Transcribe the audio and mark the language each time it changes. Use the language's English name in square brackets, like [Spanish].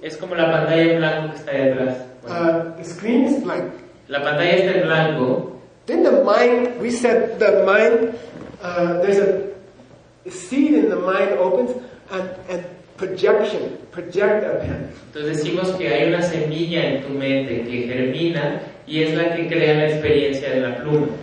[Spanish] Es como la pantalla en blanco que está detrás. [English] The screen is blank. [Spanish] La pantalla está en blanco. [English] Then the mind, we said the mind, there's a seed in the mind opens and project a pen. [Spanish] Entonces decimos que hay una semilla en tu mente que germina y es la que crea la experiencia de la pluma.